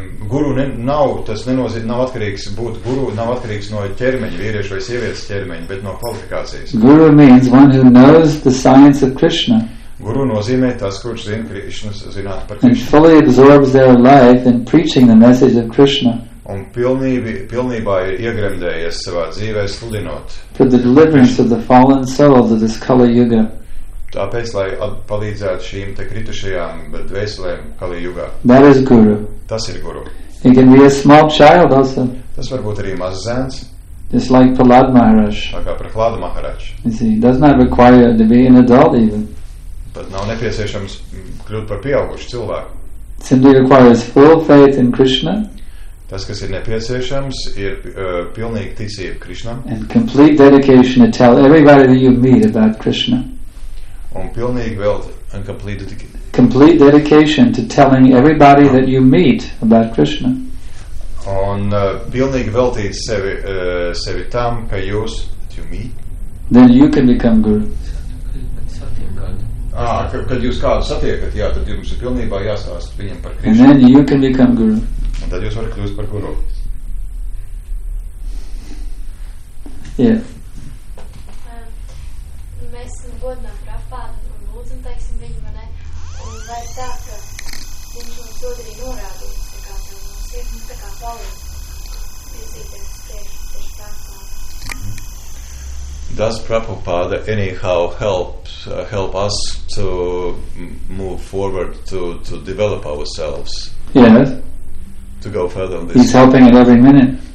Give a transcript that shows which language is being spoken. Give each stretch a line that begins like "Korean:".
Latvian: Guru nav atkarīgs būt guru, nav atkarīgs no ķermeņa, vīriešu vai sievietes ķermeņa, bet no kvalifikācijas.
English: Guru means one who knows the science of Krishna.
Latvian: Guru nozīmē tas, kurš zina Krishna, zināt par
English: Krishna. And fully absorbs their life in preaching the message of Krishna.
Latvian: Un pilnībā ir iegremdējies savā dzīvē sludinot.
English: For the deliverance of the fallen souls of this Kali Yuga.
Latvian: Tāpēc, lai palīdzētu šīm te kritušajām dvēselēm Kali Yuga.
English: That is guru.
Latvian: Tas ir guru.
English: He can be a small child also.
Latvian: Tas var būt arī mazs zēns.
English: Just like Prahlad Maharaj.
Latvian: Tā kā Prahlad Maharaj.
English: You see, does not require to be an adult even.
Latvian: Bet nav nepieciešams kļūt par pieaugušu cilvēku.
English: Simply requires full faith in Krishna.
Latvian: Tas, kas ir nepieciešams, ir pilnīga ticība Krishnam.
English: And complete dedication to tell everybody that you meet about Krishna.
Latvian: Un pilnīgi vēl,
English: and complete dedication. Complete dedication to telling everybody that you meet about Krishna.
Latvian: Un pilnīgi veltīt sevi tam, ka jūs,
English: that you meet. Then you can become guru.
Latvian: Kad jūs kādu satiekat, jā, tad jums ir pilnībā jāstāst viņam par Krishna.
English: And then you can become guru.
Latvian: Un tad jūs varat kļūst par guru.
English: Yeah.
Latvian: Mēs godinām Prabhupādu un lūdzam, teiksim, viņu, vai ne? Un vai tā, ka viņš mums dod arī norādīt, tā kā mums ir, tā kā palīdz virzīties tieši Prabhupādu?
English: Does Prabhupada anyhow help us to move forward, to develop ourselves? Yes. To go further on this. He's helping at every minute.